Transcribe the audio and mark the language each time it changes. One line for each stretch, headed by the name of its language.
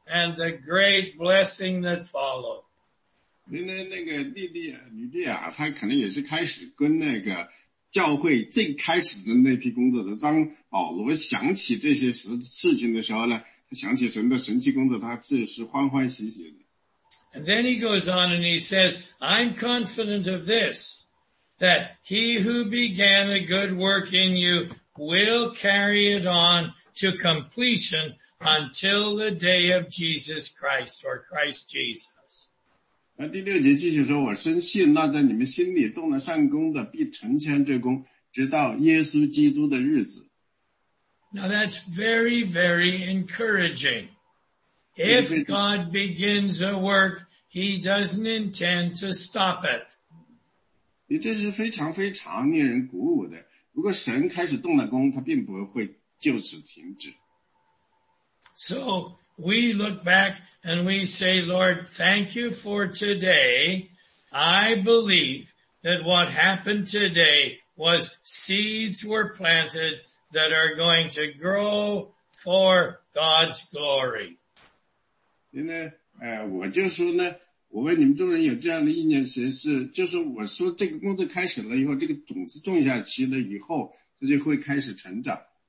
English: And the great blessing that followed.
Chinese: 因为那个吕地亚他可能也是开始跟那个教会最开始的那批工作的。当保罗想起这些事情的时候呢，他想起神的神迹工作，他自是欢欢喜喜的。
English: And then he goes on and he says, I'm confident of this, that he who began a good work in you will carry it on to completion,Until the day of Jesus Christ or Christ Jesus.
Chinese: 那第六节继续说，我深信那在你们心里动了善功的，必成全这功，直到耶稣基督的日子。
English: Now that's very, very encouraging. If God begins a work, He doesn't intend to stop it.
Chinese: 你这是非常非常令人鼓舞的。如果神开始动了功，他并不会就此停止。
English: So we look back and we say, Lord, thank you for today. I believe that what happened today was seeds were planted that are going to grow for God's glory.
Chinese: 因为我就说呢，我问你们众人有这样的意念，谁是就是我说这个工作开始了以后，这个种子种下去了以后，它就会开始成长。